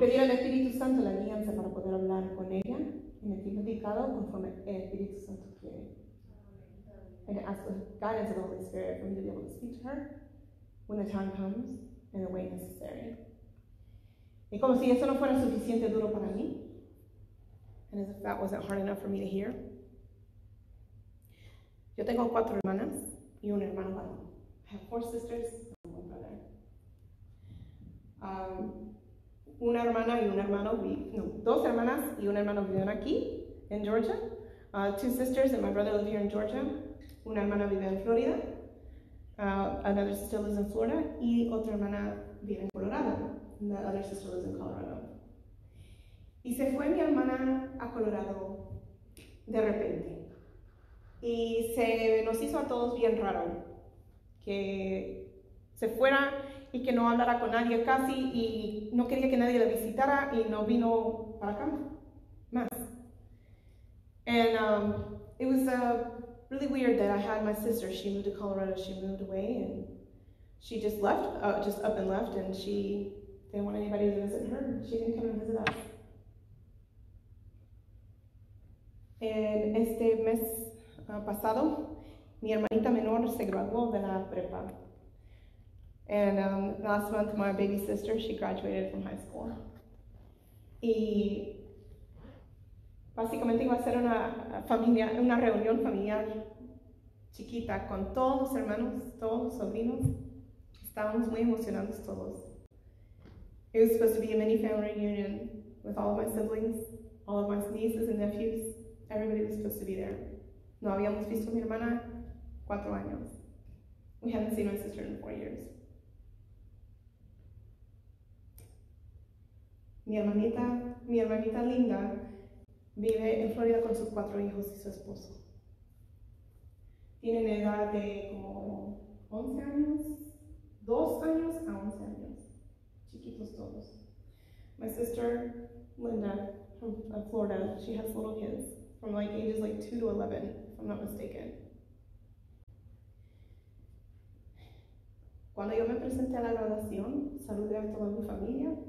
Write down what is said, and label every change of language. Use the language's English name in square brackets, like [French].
[Spanish] Y pedir al Espíritu Santo la alianza para poder hablar con ella en el tiempo indicado conforme el Espíritu Santo quiere. [English] And ask the guidance of the Holy Spirit for me to be able to speak to her when the time comes in the way necessary. [Spanish] Y como si eso no fuera suficiente duro para mí, [English] and as if that wasn't hard enough for me to hear, [Spanish] yo tengo cuatro hermanas y un hermano. [English] I have four sisters and one brother. [Spanish] Una hermana y un hermano, dos hermanas y un hermano viven aquí en Georgia. [English] Two sisters and my brother live here in Georgia. [Spanish] Una hermana vive en Florida. [English] Another sister lives in Florida. [Spanish] Y otra hermana vive en Colorado. [English] And the other sister lives in Colorado. [Spanish] Y se fue mi hermana a Colorado de repente. Y se nos hizo a todos bien raro que se fuera y que no hablara con nadie casi, y no quería que nadie la visitara, y no vino para acá más. [English] And it was really weird that I had my sister. She moved to Colorado, she moved away, and she just left, just up and left, and she didn't want anybody to visit her. She didn't come and visit us. [Spanish] And este mes pasado, mi hermanita menor se graduó de la prepa. [English] And last month, my baby sister, she graduated from high school. [Spanish] Y básicamente iba a ser una reunión familiar chiquita con todos los hermanos, todos los sobrinos. Estábamos muy emocionados todos. [English] It was supposed to be a mini family reunion with all of my siblings, all of my nieces and nephews. Everybody was supposed to be there. [Spanish] No habíamos visto a mi hermana 4 años. [English] We hadn't seen my sister in 4 years. [Spanish] Mi hermanita linda vive en Florida con sus 4 hijos y su esposo. Tienen edad de como 11 años, 2 años a 11 años. Chiquitos todos. [English] My sister Linda from Florida, she has little kids from like ages like 2 to 11, if I'm not mistaken. [Spanish] Cuando yo me presenté a la graduación, saludé a toda mi familia.